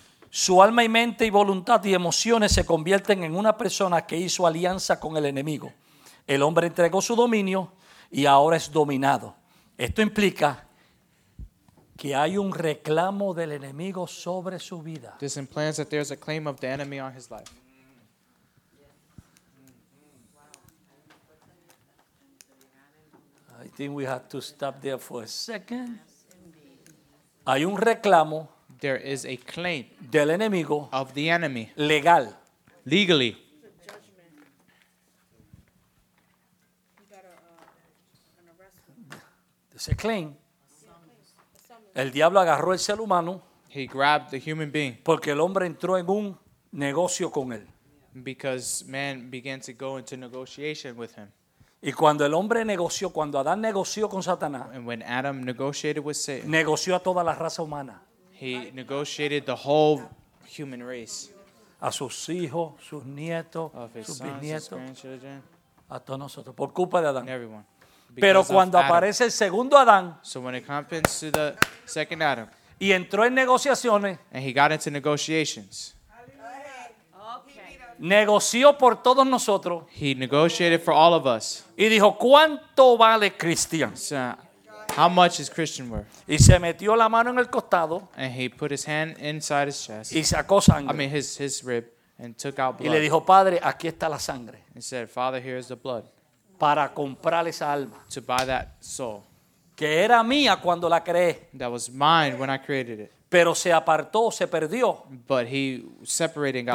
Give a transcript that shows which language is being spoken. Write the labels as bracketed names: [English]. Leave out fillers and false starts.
[Spanish] Su alma y mente y voluntad y emociones se convierten en una persona que hizo alianza con el enemigo. El hombre entregó su dominio y ahora es dominado. Esto implica que hay un reclamo del enemigo sobre su vida. [English] This implies that there's a claim of the enemy on his life. I think we have to stop there for a second. [Spanish] Hay un reclamo. [English] There is a claim [Spanish] del enemigo. [English] Of the enemy. [Spanish] Legal. [English] Legally. There's a claim. [Spanish] El diablo agarró el ser humano. [English] He grabbed the human being. [Spanish] Porque el hombre entró en un negocio con él. [English] Because man began to go into negotiation with him. [Spanish] Y cuando el hombre negoció, cuando Adán negoció con Satanás, [English] and when Adam negotiated with Satan, [Spanish] negoció a toda la raza humana. [English] He negotiated the whole human race. [Spanish] A sus hijos, sus nietos, sus bisnietos, a todos nosotros, por culpa de Adán. [English] Everyone. [Spanish] Pero cuando aparece el segundo Adán, [English] so when it happens to the second Adam, [Spanish] y entró en negociaciones, [English] and he got into negotiations, [Spanish] negoció por todos nosotros. [English] He negotiated for all of us. [Spanish] Y dijo, ¿cuánto vale Cristian? [English] So, how much is Christian worth? [Spanish] Y se metió la mano en el costado. [English] And he put his hand inside his chest. [Spanish] Y sacó sangre. [English] I mean his rib. And took out blood. [Spanish] Y le dijo, Padre, aquí está la sangre. [English] And said, Father, here is the blood. [Spanish] Para comprar esa alma. [English] To buy that soul. [Spanish] Que era mía cuando la creé. [English] That was mine when I created it. [Spanish] Pero se apartó, se perdió. [English] But he separated and got